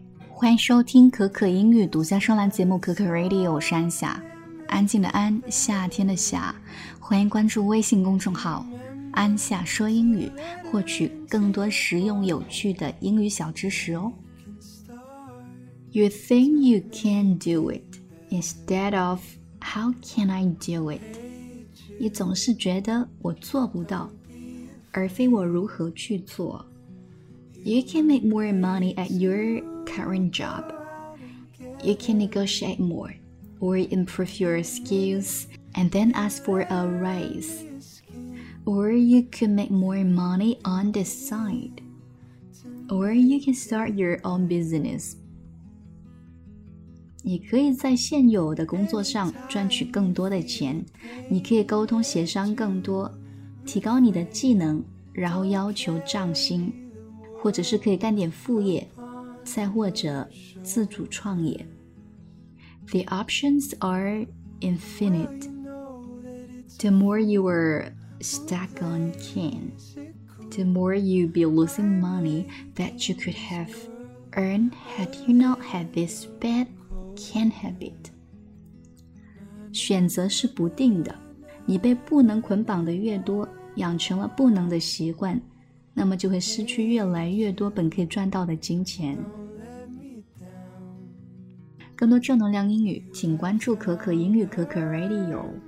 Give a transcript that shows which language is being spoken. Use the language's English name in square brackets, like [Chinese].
[Chinese] 欢迎收听可可英语独家专栏节目可可 Radio， 我是安夏，安静的安，夏天的夏。欢迎关注微信公众号安夏说英语，获取更多实用有趣的英语小知识哦。 [English] You think you can do it instead of how can I do it? [Chinese] 你总是觉得我做不到，而非我如何去做。 [English] You can make more money at your current job. You can negotiate more or improve your skills and then ask for a raise. Or you can make more money on the side. Or you can start your own business. [Chinese] 你可以在现有的工作上赚取更多的钱，你可以沟通协商更多，提高你的技能，然后要求涨薪，或者是可以干点副业，再或者自主创业。 [English] The options are infinite. The more you are stuck on can, the more you be losing money that you could have earned had you not had this badCan't have it. [Chinese] 选择是不定的，你被不能捆绑的越多，养成了不能的习惯，那么就会失去越来越多本可以赚到的金钱。更多正能量英语，请关注可可英语可可 Radio。